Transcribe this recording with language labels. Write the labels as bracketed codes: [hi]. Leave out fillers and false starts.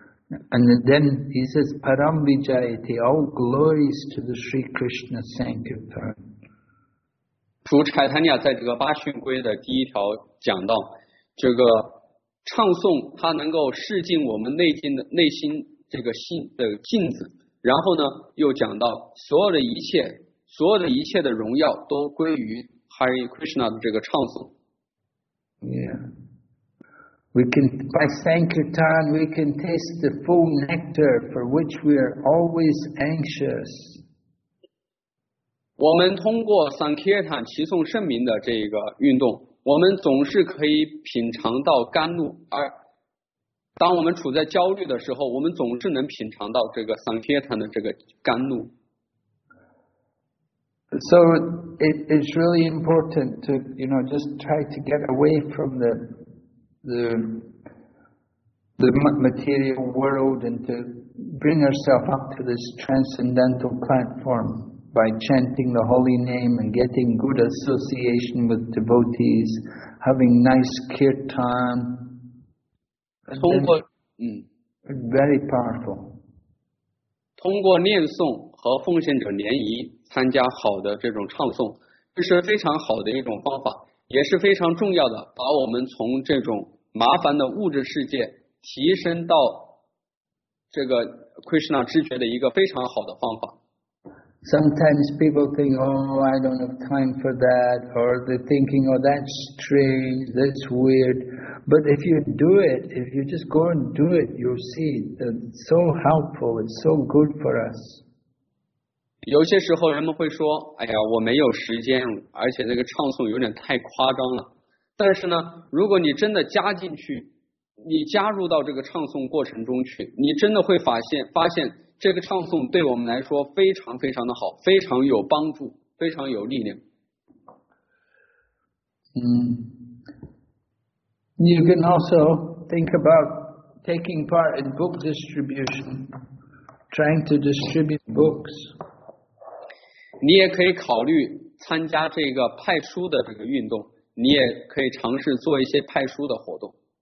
[en] And then he says, Param Vijayate, all glories to the Sri Krishna Sankirtan. [zh] 主柴坦尼亚在这个八训规的第一条讲到，这个唱诵它能够视进我们内心的内心这个心的镜子，然后呢又讲到所有的一切，所有的一切的荣耀都归于 Hare Krishna 的这个唱诵。 [en] Yeah, we can by Sankirtan we can taste the full nectar for which we are always anxious. [zh] 我们通过 Sankirtan 齐颂圣名的这个运动，我们总是可以品尝到甘露，而当我们处在焦虑的时候，我们总是能品尝到这个 Sankirtan 的这个甘露。 [en] So it is really important to, you know, just try to get away from the material world and to bring ourselves up to this transcendental platform by chanting the holy name and getting good association with devotees, having nice kirtan. Very powerful. [zh] 通过念诵和奉献者联谊参加好的这种唱诵，这是非常好的一种方法，也是非常重要的，把我们从这种麻烦的物质世界提升到这个 Krishna 知觉的一个非常好的方法。 [en] Sometimes people think, oh, I don't have time for that, or they're thinking, oh, that's strange, that's weird. But if you do it, if you just go and do it, you'll see that it's so helpful, it's so good for us. [zh] 有些时候人们会说，哎呀，我没有时间，而且这个唱诵有点太夸张了。但是呢，如果你真的加进去，你加入到这个唱诵过程中去，你真的会发现这个唱诵对我们来说非常非常的好，非常有帮助，非常有力量。 [en] You can also think about taking part in book distribution, trying to distribute books. [zh] 你也可以考虑参加这个派书的这个运动，你也可以尝试做一些派书的活动。